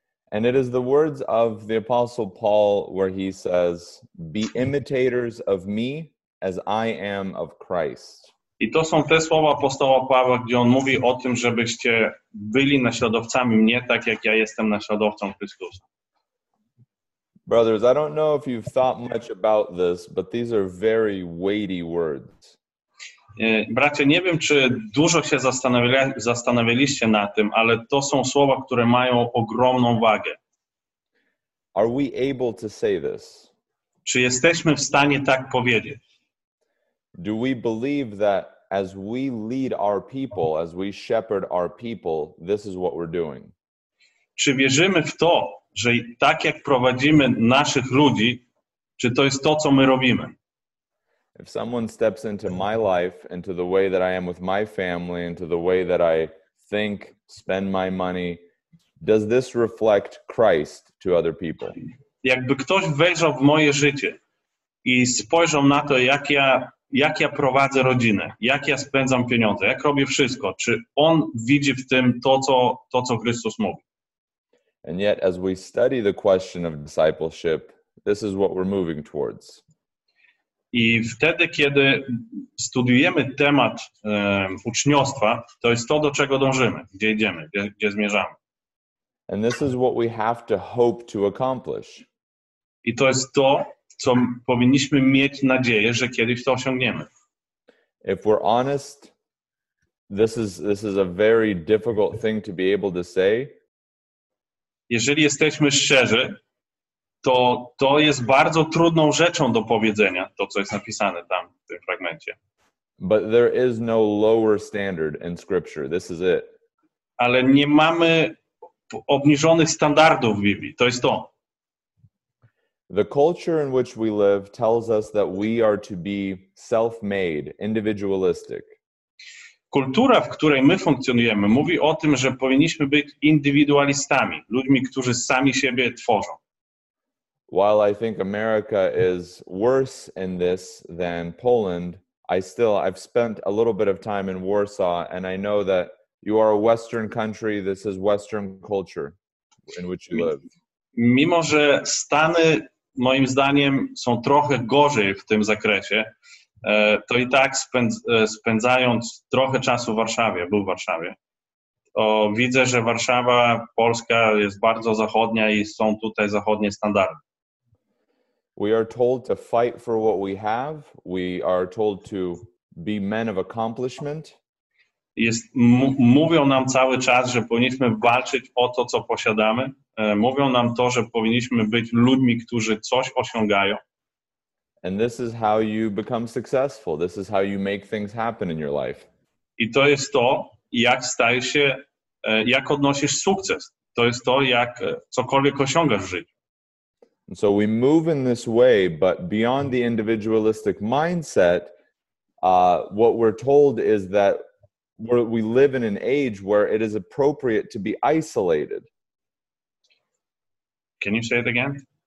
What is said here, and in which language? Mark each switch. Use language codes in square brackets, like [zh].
[en] And it is the words of the Apostle Paul where he says, be imitators of me as I am of Christ. [pl] I to są te słowa apostoła Pawła, gdzie on mówi o tym, żebyście byli naśladowcami mnie, tak jak ja jestem naśladowcą Chrystusa. [en] Brothers, I don't know if you've thought much about this, but these are very weighty words. [pl] Bracie, nie wiem, czy dużo się zastanawialiście na tym, ale to są słowa, które mają ogromną wagę. [en] Are we able to say this? [pl] Czy jesteśmy w stanie tak powiedzieć? [en] Do we believe that as we lead our people, as we shepherd our people, this is what we're doing? [pl] Czy wierzymy w to, że tak jak prowadzimy naszych ludzi, czy to jest to, co my robimy? [en] If someone steps into my life, into the way that I am with my family, into the way that I think, spend my money, does this reflect Christ to other people? [pl] Jakby ktoś wejrzał w moje życie i spojrzał na to, jak ja prowadzę rodzinę, jak ja spędzam pieniądze, jak robię wszystko, czy on widzi w tym to, co Chrystus mówi? [en] And yet, as we study the question of discipleship, this is what we're moving towards. [pl] I wtedy, kiedy studiujemy temat uczniostwa, to jest to, do czego dążymy, gdzie idziemy, gdzie zmierzamy. [en] And this is what we have to hope to accomplish. [pl] I to jest to, co powinniśmy mieć nadzieję, że kiedyś to osiągniemy. [en] If we're honest, this is a very difficult thing to be able to say. [pl] Jeżeli jesteśmy szczerzy, to jest bardzo trudną rzeczą do powiedzenia, to co jest napisane tam w tym fragmencie. [en] But there is no lower standard in scripture. This is it. [pl] Ale nie mamy obniżonych standardów w Biblii. To jest to. [en] The culture in which we live tells us that we are to be self-made, individualistic. [pl] Kultura, w której my funkcjonujemy, mówi o tym, że powinniśmy być indywidualistami, ludźmi, którzy sami siebie tworzą. [en] While I think America is worse in this than Poland, I've spent a little bit of time in Warsaw, and I know that you are a Western country, this is Western culture in which you live. [pl] Mimo, że Stany, moim zdaniem, są trochę gorzej w tym zakresie, to i tak spędzając trochę czasu w Warszawie, był w Warszawie, to widzę, że Warszawa, Polska jest bardzo zachodnia i są tutaj zachodnie standardy. [en] We are told to fight for what we have. We are told to be men of accomplishment. [pl] Mówią nam cały czas, że powinniśmy walczyć o to, co posiadamy. Mówią nam to, że powinniśmy być ludźmi, którzy coś osiągają. [en] And this is how you become successful. This is how you make things happen in your life. [pl] I to jest to, jak stajesz się, jak odnosisz sukces. To jest to, jak cokolwiek osiągasz w życiu. [en] And so we move in this way, but beyond the individualistic mindset, what we're told is that we live in an age where it is appropriate to be isolated. Can you say it again?